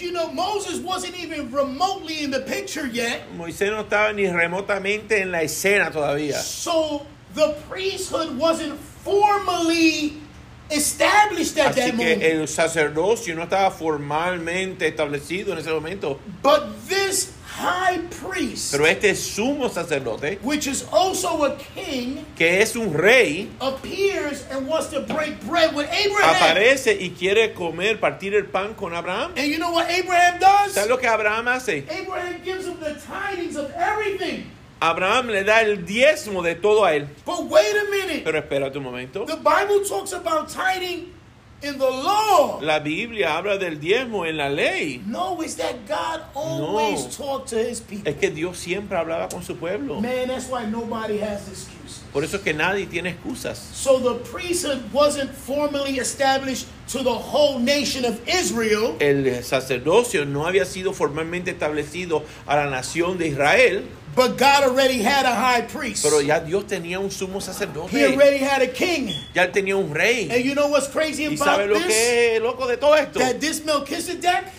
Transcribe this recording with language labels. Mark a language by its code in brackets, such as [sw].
[en] You know, Moses wasn't even remotely in the picture yet. [es] Moisés no estaba ni remotamente en la escena todavía. [en] So the priesthood wasn't formally established at [es] así [en] that moment. [es] Que el sacerdocio no estaba formalmente establecido en ese momento. [en] But this high priest, [es] pero este sumo sacerdote, [en] which is also a king, [es] que es un rey, [en] appears and wants to break bread with Abraham. [es] Aparece y quiere comer, partir el pan con Abraham. [en] And you know what Abraham does? [es] ¿Sabes lo que Abraham hace? [en] Abraham gives him the tidings of everything. [es] Abraham le da el diezmo de todo a él. [en] But wait a minute. [es] Pero espérate un momento. [en] The Bible talks about tithing In the law. [es] La Biblia habla del diezmo en la ley. [en] No, it's that God always talked to his people. [es] Es que Dios siempre hablaba con su pueblo. [en] Man, that's why nobody has excuses. [es] Por eso es que nadie tiene excusas. [en] So the priesthood wasn't formally established to the whole nation of Israel. [es] El sacerdocio no había sido formalmente establecido a la nación de Israel. [en] But God already had a high priest. [es] Pero ya Dios tenía un sumo sacerdote. [en] He already had a king. [es] Ya él tenía un rey. [en] And you know what's crazy about this? [es] ¿Y sabes lo que es loco de todo esto? [en] That this Melchizedek,